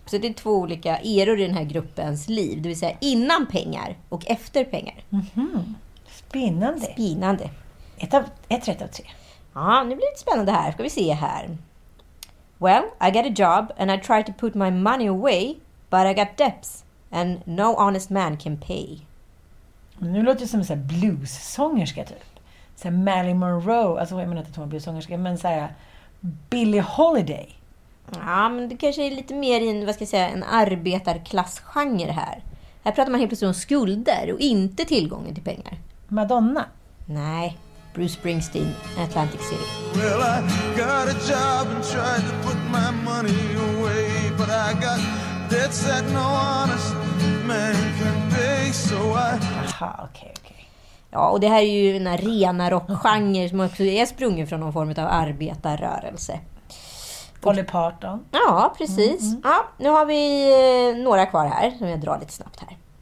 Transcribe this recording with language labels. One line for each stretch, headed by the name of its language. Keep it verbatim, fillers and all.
Swedish: Så det är två olika eror i den här gruppens liv. Det vill säga innan pengar och efter pengar. Mm-hmm. Spinnande. Spinnande. Ett, av, ett rätt av tre. Ja, nu blir det lite spännande här. Ska vi se här.
English: Well, I got a job and I tried to put my money away. But I got debts and no honest man can pay.
Swedish: Nu låter det som en sån här blues-sångerska typ. Så här Marilyn Monroe. Alltså jag menar inte att hon är blues-sångerska, men så här Billie Holiday. Ja, men det kanske är lite mer i en, vad ska jag säga, en arbetarklassgenre här. Här pratar man helt plötsligt om skulder och inte tillgången till pengar. Madonna? Nej, Bruce Springsteen, Atlantic City.
English: Well, I got a job and tried to put my money away, but I got debts that no honest man can pay, so I...
Swedish: Aha, okej, okay, okej. Okay. Ja, och det här är ju en rena rockgenre som också är sprungen från någon form av arbetarrörelse. Polly Parton. Ja, precis. Mm, mm. Ja, nu har vi några kvar här som jag drar lite snabbt här.